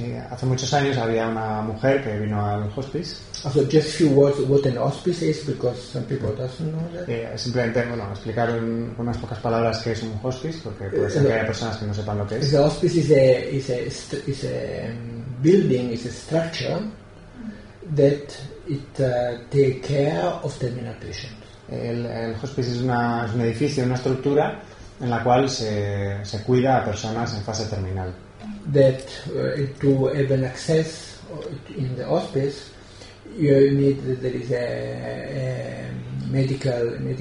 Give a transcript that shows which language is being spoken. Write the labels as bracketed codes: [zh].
[es] Hace muchos años había una mujer que vino al hospice. [en] Also, just a few words of what an hospice is, because some people doesn't know that. [es] Simplemente, bueno, explicar con unas pocas palabras qué es un hospice, porque puede ser que haya personas que no sepan lo que es. [en] The hospice is a building, is a structure that it take care of terminal patients. [es] El hospice es un edificio, una estructura en la cual se cuida a personas en fase terminal. [en] That to have an access in the hospice, you need that there is a medical